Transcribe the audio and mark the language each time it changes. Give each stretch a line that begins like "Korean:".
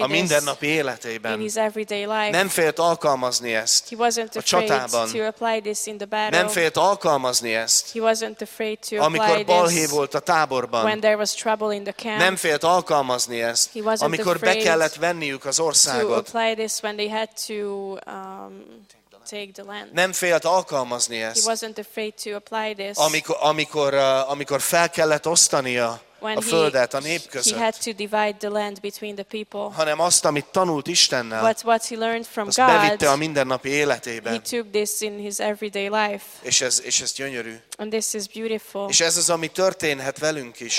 Hungarian: a mindennapi életében.
English: In his everyday life.
Hungarian: Nem félt alkalmazni ezt.
English: He wasn't
Hungarian: a csatában.
English: Afraid to apply this in the battle.
Hungarian: Nem félt alkalmazni ezt.
English: He wasn't afraid to apply
Hungarian: amikor balhé volt a táborban.
English: When there was trouble in the camp.
Hungarian: Nem félt alkalmazni ezt.
English: He wasn't
Hungarian: amikor
English: afraid
Hungarian: kellett venniük az országot.
English: To apply this when they had to take the land.
Hungarian: Nem félt alkalmazni ezt.
English: He wasn't afraid to apply this.
Hungarian: Amikor fel kellett osztania a földet a nép között.
English: He had to divide the land between the people.
Hungarian: Hanem azt, amit tanult Istennel.
English: But what he learned from God.
Hungarian: Azt bevitte a mindennapi életébe.
English: He took this in his everyday life.
Hungarian: És ez gyönyörű.
English: And this is beautiful.
Hungarian: És ez az, ami történhet velünk is.